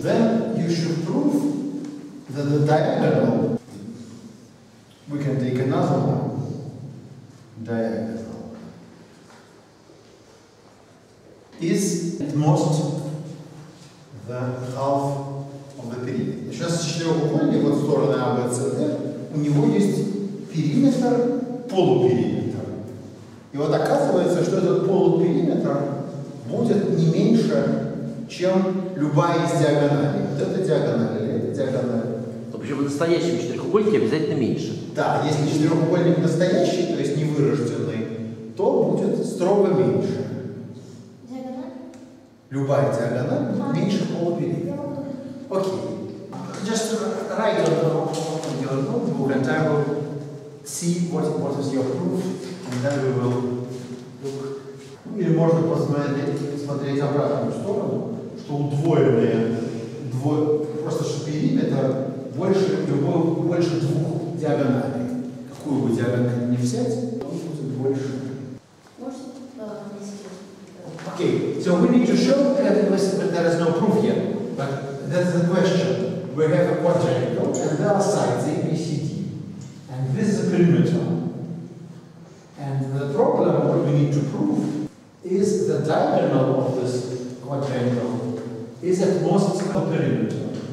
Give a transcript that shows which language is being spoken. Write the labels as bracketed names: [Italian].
[English] Then you should prove that the diagonal, we can take another one, diagonal, is at most the half of the perimeter. [Russian] Сейчас четырехугольник, вот стороны А, Б, С, Д, у него есть периметр, полупериметр. И вот оказывается, что этот полупериметр будет не меньше, чем любая из диагоналей. Вот эта диагональ или эта диагональ. Но причем в настоящем четырехугольнике обязательно меньше. Да, если четырехугольник настоящий, то есть невырожденный, то будет строго меньше. Любая диагональ меньше полупериметра. Окей. [English] Just write on your notebook and I will see what is your proof. And then we will look. [Russian] Или можно посмотреть обратную сторону, что удвоенные, просто что периметр больше двух диагоналей. Какую бы диагональ не взять, он будет больше. [English] Okay, so we need to show that there is no proof yet, but that's the question. We have a quadrangle, and there are sides, A, B, C, D. And this is a perimeter. And the problem what we need to prove is the diagonal of this quadrangle is at most a perimeter.